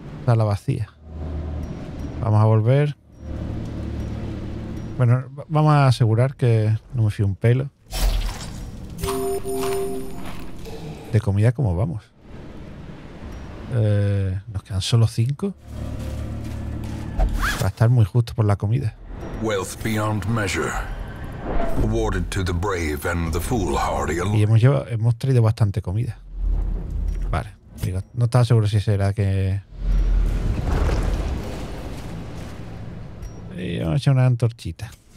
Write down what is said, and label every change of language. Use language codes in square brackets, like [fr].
[es] Sala vacía. Vamos a volver. Bueno, vamos a asegurar que no me fío un pelo. De comida, ¿cómo vamos? Nos quedan solo 5. Va a estar muy justo por la comida. [en] Wealth beyond measure. Awarded to the brave and the foolhardy. [es] Y hemos traído bastante comida. Vale. Digo, no estaba seguro si será que. Y vamos a echar una antorchita.